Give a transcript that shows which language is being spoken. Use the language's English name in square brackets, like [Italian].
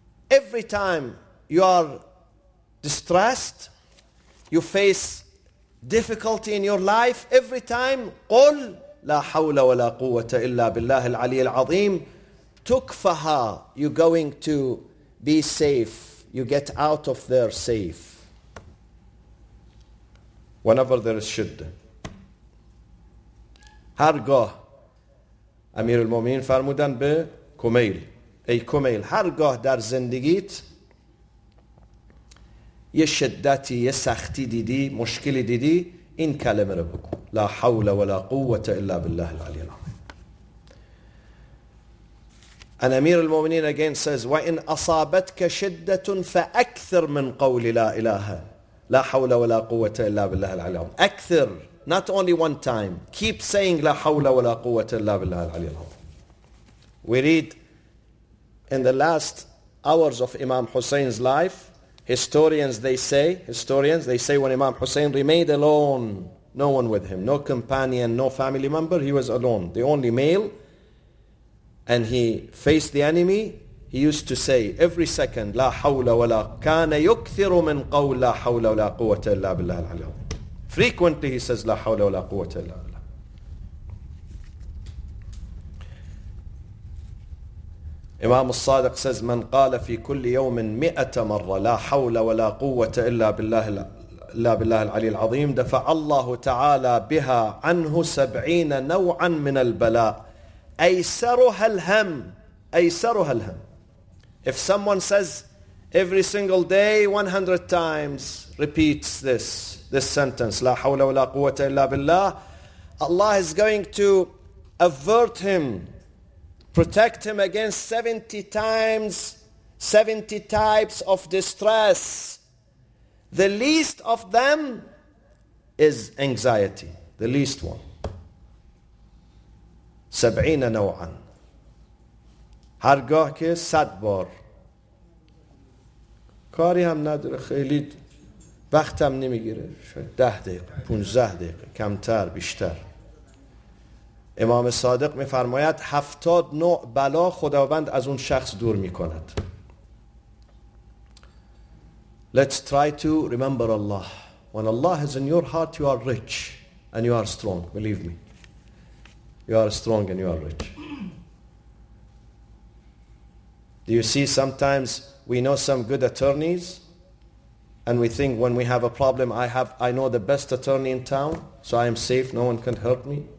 [English] Every time you are distressed, you face difficulty in your life, every time, [Arabic] قُلْ لا حول ولا قوة إلا بالله العلي العظيم. تكفها. [English] You're going to be safe. You get out of there safe. Whenever there is shiddah. [Persian] هرگاه امیر المومنین فرمودن به کمیل. ای کمیل هرگاه در زندگیت یه شدتی یه سختی دیدی مشکلی دیدی این کلمه رو بگو. [Arabic] لا حول ولا قوه الا بالله العلي العظيم. امير المؤمنين [English] again says, [Arabic] وان اصابتك شده فاكثر من قول لا اله لا حول ولا قوه الا بالله العلي العظيم. اكثر, [English] not only one time, keep saying [Arabic] لا حول ولا قوه الا بالله العلي العظيم. [English] We read in the last hours of Imam Hussein's life, historians say when Imam Hussein remained alone, no one with him, no companion, no family member, he was alone, the only male, and he faced the enemy, he used to say every second, [Arabic] لا حول ولا كان يكثر من قول لا حول ولا قوة إلا بالله العلي العظيم. [English] Frequently he says, [Arabic] لا حول ولا قوة إلا بالله. [English] Imam al-Sadiq says, [Arabic] من قال في كل يوم مئة مرة لا حول ولا قوة إلا بالله لا بالله العلي العظيم دفع الله تعالى بها عنه 70 نوعا من البلاء أَيْسَرُهَا الْهَمْ أَيْسَرُهَا الْهَمْ. [English] If someone says every single day 100 times, repeats this sentence, [Arabic] لَا حَوْلَ وَلَا قُوَّةَ إِلَّا بِاللَّهِ, [English] Allah is going to avert him, protect him against 70 times, 70 types of distress. The least of them is anxiety, the least one. [Persian] 70 نوعاً. هرگاه که 100 بار. کاری هم نداره خیلی وقت هم نمیگیره. 10 دقیقه، 15 دقیقه، کمتر، بیشتر. امام صادق میفرماید 70 نوع بلا خداوند از اون شخص دور میکند. [English] Let's try to remember Allah. When Allah is in your heart, you are rich and you are strong. Believe me. You are strong and you are rich. Do you see sometimes we know some good attorneys and we think when we have a problem, I know the best attorney in town, so I am safe, no one can help me.